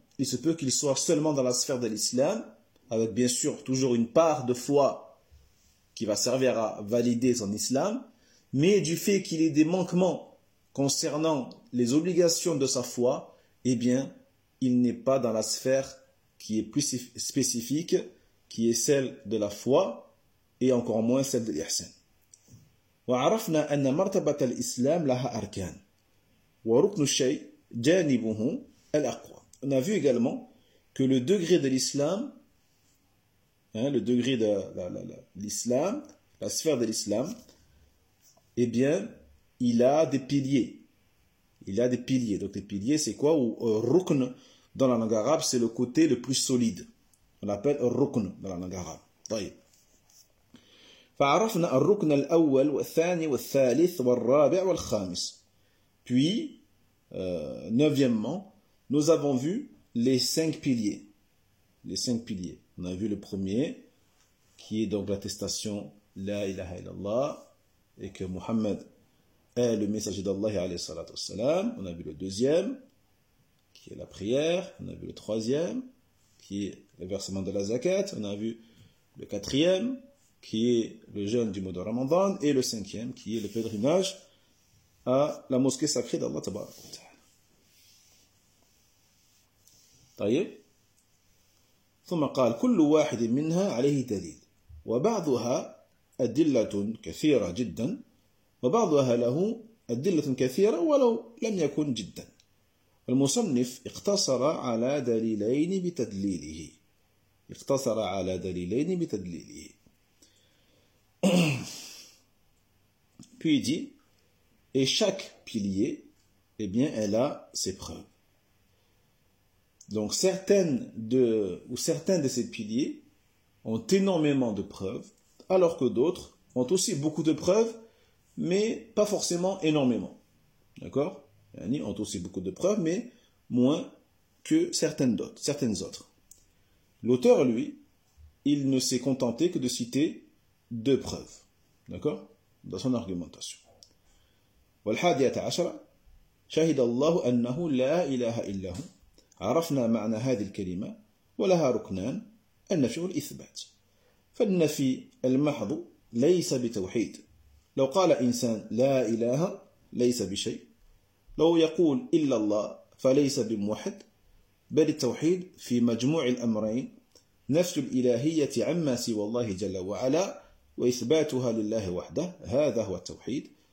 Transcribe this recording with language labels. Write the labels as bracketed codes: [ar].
[fr] Il se peut qu'il soit seulement dans la sphère de l'islam, avec bien sûr toujours une part de foi qui va servir à valider son islam, mais du fait qu'il ait des manquements concernant les obligations de sa foi, eh bien, il n'est pas dans la sphère qui est plus spécifique, qui est celle de la foi, et encore moins celle de l'ihsan. [ar] وعرفنا أن مرتبة الإسلام لها أركان وركن الشيء جانبه الأقوى. [fr] On a vu également que le degré de l'islam, hein, le degré de l'islam, la sphère de l'islam, eh bien, il a des piliers. Il a des piliers. Donc, les piliers, c'est quoi? Ou rukn, dans la langue arabe, c'est le côté le plus solide. On l'appelle rukn dans la langue arabe. [ar] طيب. فعرفنا الركن الأول والثاني والثالث والرابع والخامس. [fr] Puis, neuvièmement, nous avons vu les cinq piliers. Les cinq piliers. On a vu le premier, qui est donc l'attestation [ar] La ilaha illallah, [fr] et que Muhammad est le messager d'Allah, [ar] alayhi salatu wassalam. [fr] On a vu le deuxième, qui est la prière. On a vu le troisième, qui est le versement de la zakat. On a vu le quatrième, qui est le jeûne du mois de Ramadan, et le cinquième, qui est le pèlerinage à la mosquée sacrée d'Allah [ar] Tabaraka wa Ta'ala. طيب ثم قال كل واحد منها عليه دليل وبعضها أدلة كثيرة جدا وبعضها له أدلة كثيرة ولو لم يكن جدا. المصنف اقتصر على دليلين بتدليله اقتصر على دليلين بتدليله. [fr] Puis il dit, et chaque pilier, eh bien, elle a ses preuves. Donc, certains de ces piliers ont énormément de preuves, alors que d'autres ont aussi beaucoup de preuves, mais pas forcément énormément. D'accord ? Ils ont aussi beaucoup de preuves, mais moins que certaines autres. L'auteur, lui, il ne s'est contenté que de citer deux preuves. D'accord ? Dans son argumentation. [ar] والحادية عشرة شهد الله أنه لا إله إلا هو عرفنا معنى هذه الكلمة ولها ركنان النفي والإثبات. فالنفي المحض ليس بتوحيد. لو قال إنسان لا إله ليس بشيء، لو يقول إلا الله فليس بموحد، بل التوحيد في مجموع الأمرين نفي الإلهية عما سوى الله جل وعلا وإثباتها لله وحده، هذا هو التوحيد.